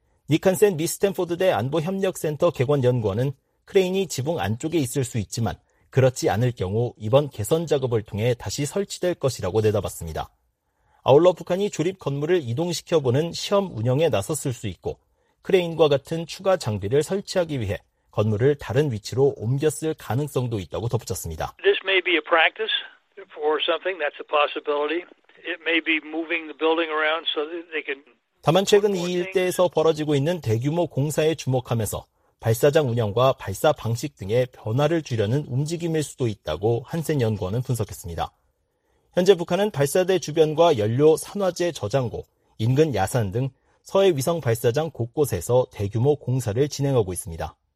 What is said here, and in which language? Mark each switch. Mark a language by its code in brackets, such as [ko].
[ko] 니칸센 미 스탠포드대 안보협력센터 객원연구원은 크레인이 지붕 안쪽에 있을 수 있지만 그렇지 않을 경우 이번 개선 작업을 통해 다시 설치될 것이라고 내다봤습니다. 아울러 북한이 조립 건물을 이동시켜보는 시험 운영에 나섰을 수 있고 크레인과 같은 추가 장비를 설치하기 위해 건물을 다른 위치로 옮겼을 가능성도 있다고 덧붙였습니다. [en] This may be a practice for something. That's a possibility. It may be moving the building around so that they can. [ko] 다만 최근 이 일대에서 벌어지고 있는 대규모 공사에 주목하면서 발사장 운영과 발사 방식 등의 변화를 주려는 움직임일 수도 있다고 한센 연구원은 분석했습니다. 현재 북한은 발사대 주변과 연료 산화제 저장고, 인근 야산 등 서해 위성 발사장 곳곳에서 대규모 공사를 진행하고 있습니다.